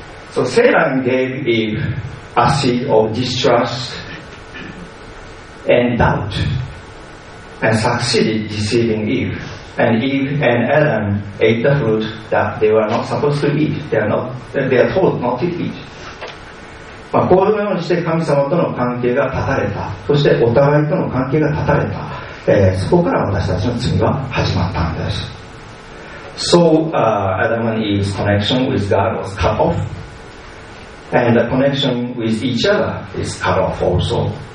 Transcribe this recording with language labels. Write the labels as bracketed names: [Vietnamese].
[English] So Satan gave Eve a seed of distrust and doubt, and succeeded deceiving Eve. And Eve and Adam ate the fruit that they were not supposed to eat. They are told not to eat. [Japanese] まあ、このようにして神様との関係が断たれた。そしてお互いとの関係が断たれた。そこから私たちの罪は始まったんです。 [English] So, Adam and Eve's connection with God was cut off. And the connection with each other is cut off also.